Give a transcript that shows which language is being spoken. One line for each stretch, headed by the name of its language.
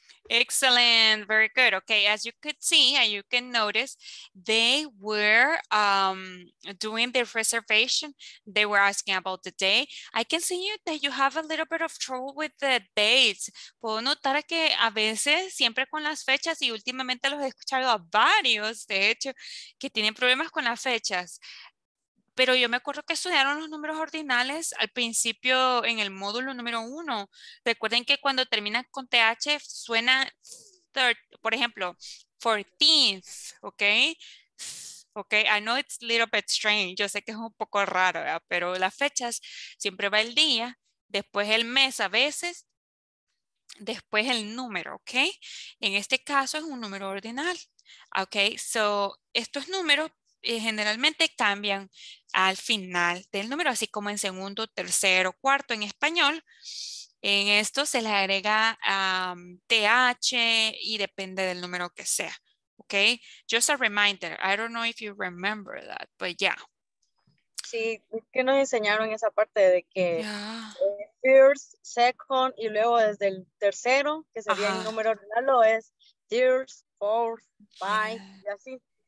English: Excellent, very good. Okay, as you could see and you can notice, they were doing their reservation. They were asking about the day. I can see you that you have a little bit of trouble with the dates.
Spanish: Puedo notar que a veces, siempre con las fechas, y últimamente los he escuchado a varios, de hecho, que tienen problemas con las fechas. Pero yo me acuerdo que estudiaron los números ordinales al principio en el módulo número 1. Recuerden que cuando termina con TH suena, por ejemplo, 14th, ¿ok?
English: Ok, I know it's a little bit strange.
Spanish: Yo sé que es un poco raro, ¿verdad? Pero las fechas siempre va el día, después el mes a veces, después el número, ¿ok? En este caso es un número ordinal, ¿ok? So, estos números generalmente cambian al final del número, así como en segundo, tercero, cuarto en español. En esto se le agrega TH y depende del número que sea.
English: Ok, just a reminder. I don't know if you remember that, but yeah.
Spanish: Sí, que nos enseñaron esa parte de que first, second y luego desde el tercero, que sería el número ordinal, lo es first, fourth, fifth, y así.